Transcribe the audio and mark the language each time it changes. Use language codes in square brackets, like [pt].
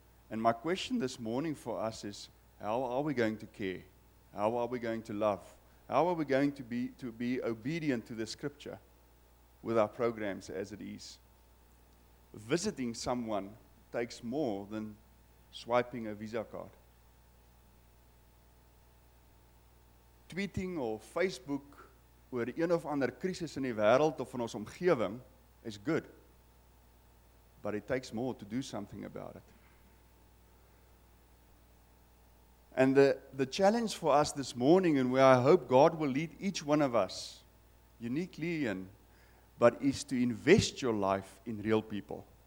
[en] And my question this morning for us is, how are we going to care? How are we going to love? How are we going to be obedient to the scripture with our programs as it is? Visiting someone takes more than swiping a Visa card. Tweeting or [af] Facebook oor een of ander krisis in die wêreld of in ons omgewing [en] is good. But it takes more to do something about it. And the challenge for us this morning, and where I hope God will lead each one of us uniquely in, but is to invest your life in real people.